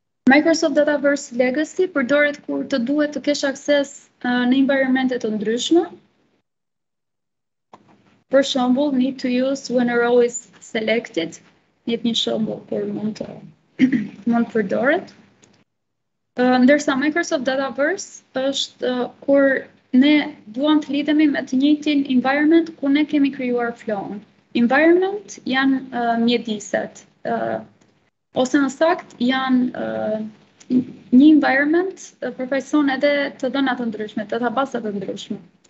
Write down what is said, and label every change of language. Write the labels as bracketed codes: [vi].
[sq] Microsoft Dataverse Legacy përdoret kur të duhet të kesh akses në environmente të ndryshme. Për shembull, [en] need to use when a row is selected. [sq] Jep një shembull kur mund të përdoret. Ndërsa Microsoft Dataverse është kur ne duam të lidhemi me të njëjtin environment ku ne kemi krijuar flow-un. Environment janë mjediset. Ose në sakt janë një environment përfaqëson edhe të dhëna të ndryshme, database të ndryshme.